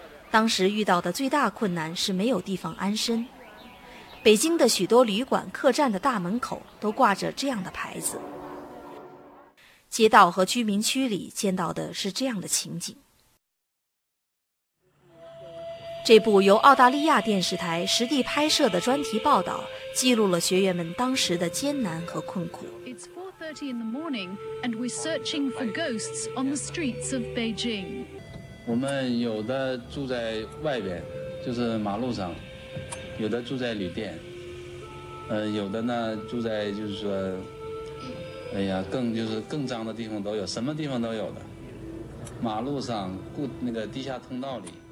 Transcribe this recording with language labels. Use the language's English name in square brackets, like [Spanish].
[Chinese] 当时遇到的最大困难是没有地方安身。北京的许多旅馆、客栈的大门口都挂着这样的牌子。街道和居民区里见到的是这样的情景。这部由澳大利亚电视台实地拍摄的专题报道，记录了学员们当时的艰难和困苦。 [English] It's 4:30 in the morning, and we're searching for ghosts on the streets of Beijing. [Chinese] 我们有的住在外边，就是马路上；有的住在旅店；有的呢住在就是说，哎呀，更脏的地方都有，什么地方都有的，马路上、那个地下通道里。